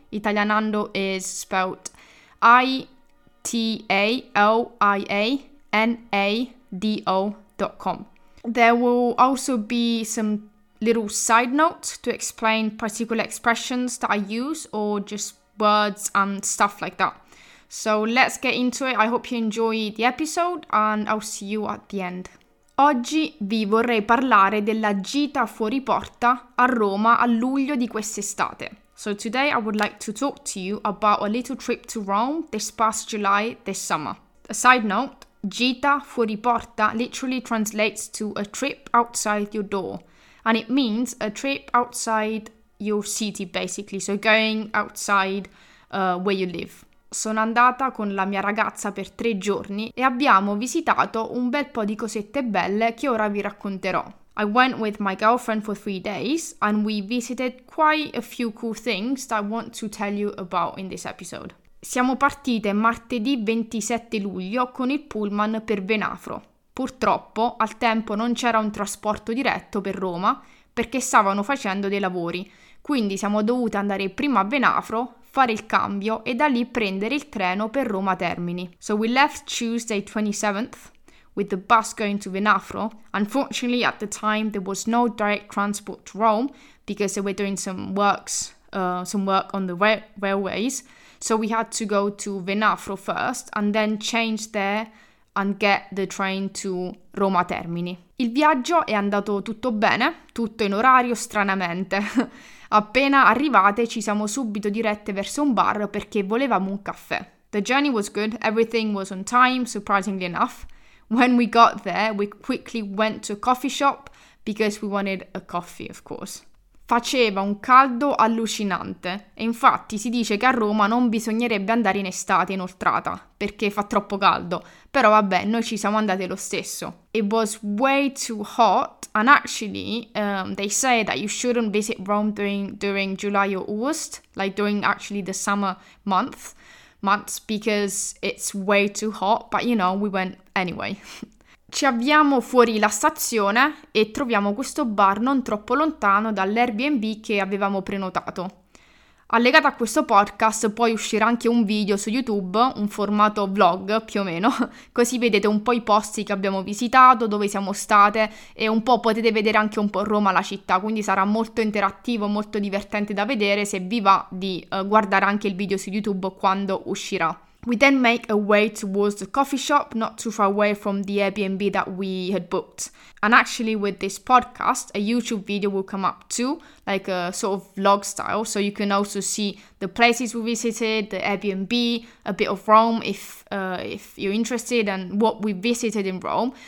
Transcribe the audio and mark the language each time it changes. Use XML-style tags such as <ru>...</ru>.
<en>Italianando is spelled italianando.com. There will also be some little side notes to explain particular expressions that I use or just words and stuff like that. So let's get into it. I hope you enjoy the episode and I'll see you at the end.</en> <it>Oggi vi vorrei parlare della gita fuori porta a Roma a luglio di quest'estate.</it> <en>So today I would like to talk to you about a little trip to Rome this past July this summer. A side note,</en> <it>gita fuori porta</it> <en>literally translates to a trip outside your door. And it means a trip outside your city basically, so going outside where you live.</en> <it>Sono andata con la mia ragazza per 3 giorni e abbiamo visitato un bel po' di cosette belle che ora vi racconterò.</it> <en>I went with my girlfriend for 3 days and we visited quite a few cool things that I want to tell you about in this episode.</en> <it>Siamo partite martedì 27 luglio con il pullman per Venafro. Purtroppo al tempo non c'era un trasporto diretto per Roma perché stavano facendo dei lavori, quindi siamo dovute andare prima a Venafro, fare il cambio e da lì prendere il treno per Roma Termini.</it> <en>So we left Tuesday 27th with the bus going to Venafro. Unfortunately, at the time there was no direct transport to Rome because they were doing some work on the railways. So we had to go to Venafro first and then change there and get the train to Roma Termini.</en> <it>Il viaggio è andato tutto bene, tutto in orario stranamente. Appena arrivate ci siamo subito dirette verso un bar perché volevamo un caffè.</it> <en>The journey was good, everything was on time, surprisingly enough. When we got there, we quickly went to a coffee shop because we wanted a coffee, of course.</en> <it>Faceva un caldo allucinante e infatti si dice che a Roma non bisognerebbe andare in estate inoltrata perché fa troppo caldo, però vabbè, noi ci siamo andate lo stesso.</it> <en>It was way too hot and actually they say that you shouldn't visit Rome during July or August, like during actually the summer months because it's way too hot, but you know, we went anyway.</en> <it>Ci avviamo fuori la stazione e troviamo questo bar non troppo lontano dall'Airbnb che avevamo prenotato. Allegato a questo podcast poi uscirà anche un video su YouTube, un formato vlog più o meno, così vedete un po' i posti che abbiamo visitato, dove siamo state e un po' potete vedere anche un po' Roma la città, quindi sarà molto interattivo, molto divertente da vedere se vi va di guardare anche il video su YouTube quando uscirà.</it> <en>We then make our way towards the coffee shop, not too far away from the Airbnb that we had booked. And actually with this podcast, a YouTube video will come up too, like a sort of vlog style, so you can also see the places we visited, the Airbnb, a bit of Rome if you're interested and what we visited in Rome.</en>